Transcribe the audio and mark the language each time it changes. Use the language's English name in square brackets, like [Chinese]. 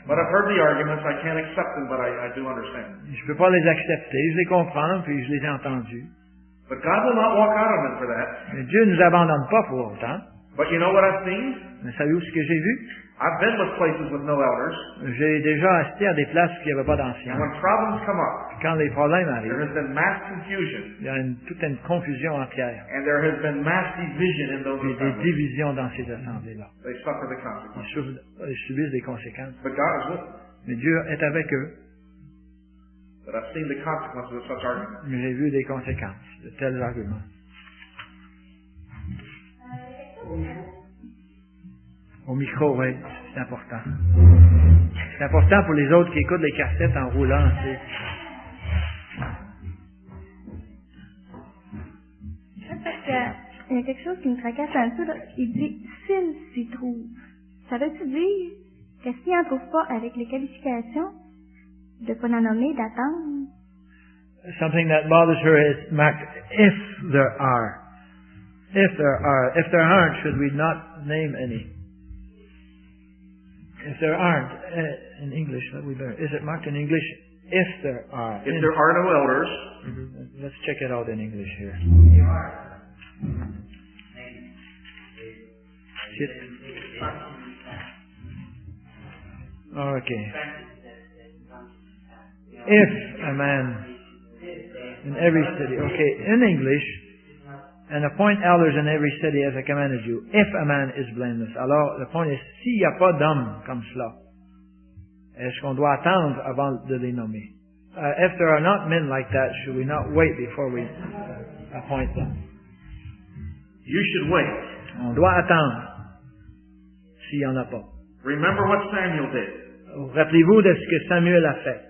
[English] But I've heard the arguments, I can't accept them, but I do understand. [French] Je peux pas les accepter, je les comprends, puis je les ai entendus. [English] But God will not walk out of them for that. [French] Mais Dieu nous abandonne pas pour autant. [English] But you know what I've seen? [French] Mais savez-vous ce que j'ai vu? [English] I've been with places with no elders. [French] J'ai déjà assisté à des places où il n'y avait pas d'anciens. [English] When problems come up, [French] quand les problèmes arrivent, [English] there has been mass confusion. [French] Il y a toute une confusion entière. [English] And there has been mass division in those assemblies. [French] Et des divisions dans ces assemblées-là. [English] They suffer the consequences. [French] Ils subissent des conséquences. [English] But God is with them. [French] Mais Dieu est avec eux. [English] But I've seen the consequences of such arguments. [French] Mais j'ai vu des conséquences de tels arguments. Au micro, oui, c'est important. C'est important pour les autres qui écoutent les cassettes en roulant. Tu sais. Parce qu'il y a quelque chose qui me tracasse un peu. Là. Il dit s'il s'y trouve. Ça veut-tu dire que s'il n'en trouve pas avec les qualifications, de ne pas en nommer, d'attendre? [English] Something that bothers her is, Mac, if there are. If there are. If there aren't, should we not name any? If there aren't, in English, that we better. Is it marked in English? If there are. If there are no elders. Mm-hmm. Let's check it out in English here. There are. Okay. If a man in every city. Okay, in English. And appoint elders in every city as I commanded you, if a man is blameless. [French] Alors, le point est, s'il n'y a pas d'homme comme cela, est-ce qu'on doit attendre avant de les nommer? [English] If there are not men like that, should we not wait before we appoint them? You should wait. [French] On doit attendre s'il n'y en a pas. [English] Remember what Samuel did. [French] Rappelez-vous de ce que Samuel a fait.